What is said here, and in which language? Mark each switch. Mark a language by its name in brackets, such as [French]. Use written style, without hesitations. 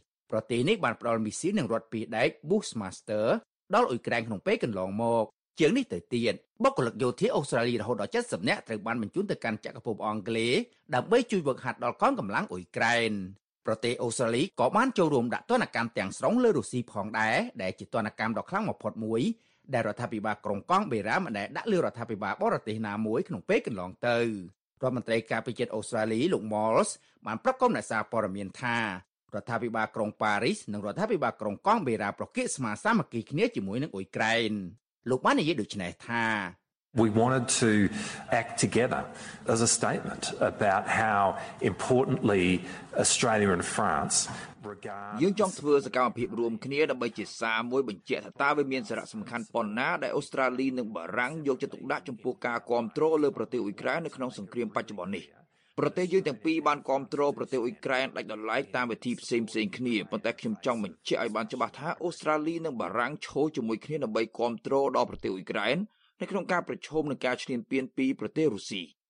[Khmer] ប្រទេសនេះបានផ្តល់មីស៊ីលនិងរថពីរដែក Bushmaster ដល់អ៊ុយក្រែនក្នុងពេលកន្លងមកជាងនេះទៅទៀតបុគ្គលិកយោធាអូស្ត្រាលីរហូតដល់70នាក់ត្រូវបានបញ្ជូនទៅកាន់ចក្រភពអង់គ្លេសដើម្បីជួយវឹកហាត់ដល់កងកម្លាំងអ៊ុយក្រែនប្រទេសអូស្ត្រាលីក៏បានចូលរួមដាក់ទណ្ឌកម្មទាំងស្រុងលើរុស្ស៊ីផងដែរដែលជាទណ្ឌកម្មដ៏ខ្លាំងបំផុតមួយដែលរដ្ឋាភិបាលក្រុងកង់បេរ៉ាម្នាក់ដាក់លើរដ្ឋាភិបាលបរទេសណាមួយក្នុងពេលកន្លងទៅ រដ្ឋមន្ត្រីការបរទេសអូស្ត្រាលីលោក Malls បានប្រកាសអ្នកសារព័ត៌មានថារដ្ឋាភិបាលក្រុងប៉ារីសនិងរដ្ឋាភិបាលក្រុងកង់បេរ៉ាប្រកាសស្មារតីសាមគ្គីគ្នាជាមួយនឹងអ៊ុយក្រែនលោកបាននិយាយដូចនេះថា [English] We wanted to act together as a statement about how importantly Australia and France [Khmer] យើងចង់ធ្វើសកម្មភាពរួមគ្នាដើម្បីជាសារមួយបញ្ជាក់ថាតើវាមានសារៈសំខាន់ប៉ុណ្ណាដែលអូស្ត្រាលីនិងបារាំងយកចិត្តទុកដាក់ចំពោះការគាំទ្រលើប្រទេសអ៊ុយក្រែននៅក្នុងសង្គ្រាមបច្ចុប្បន្ននេះប្រទេសយើងទាំងពីរបានគាំទ្រប្រទេសអ៊ុយក្រែនដាច់ដោយឡែកតាមវិធីផ្សេងផ្សេងគ្នាប៉ុន្តែខ្ញុំចង់បញ្ជាក់ឲ្យបានច្បាស់ថាអូស្ត្រាលីនិងបារាំងឈរជាមួយគ្នាដើម្បីគាំទ្រដល់ប្រទេសអ៊ុយក្រែននៅក្នុងការប្រឈមនឹងការឈ្លានពានពីប្រទេសរុស្ស៊ី